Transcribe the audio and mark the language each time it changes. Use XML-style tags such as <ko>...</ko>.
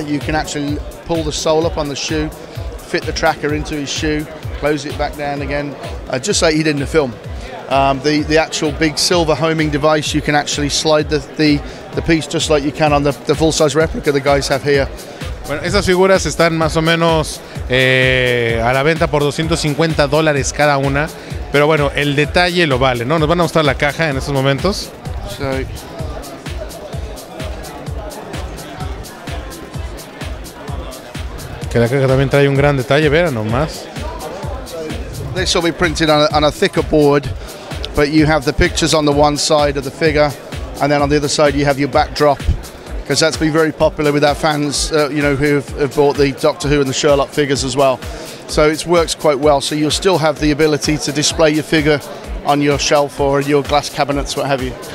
<en>You can actually pull the sole up on the shoe, fit the tracker into his shoe, close it back down again, just like he did in the film. The actual big silver homing device, you can actually slide the piece just like you can on the full size replica the guys have here.</en> <es>Bueno, esas figuras están más o menos a la venta por $250 cada una, pero bueno, el detalle lo vale, ¿no? Nos van a mostrar la caja en estos momentos. Sí. Que la caja también trae un gran detalle, verá nomás.</es> <en>This will be printed on a thicker board. But you have the pictures on the one side of the figure, and then on the other side you have your backdrop, because that's been very popular with our fans, who have bought the Doctor Who and the Sherlock figures as well. So it works quite well. So you'll still have the ability to display your figure on your shelf or your glass cabinets, what have you.</en>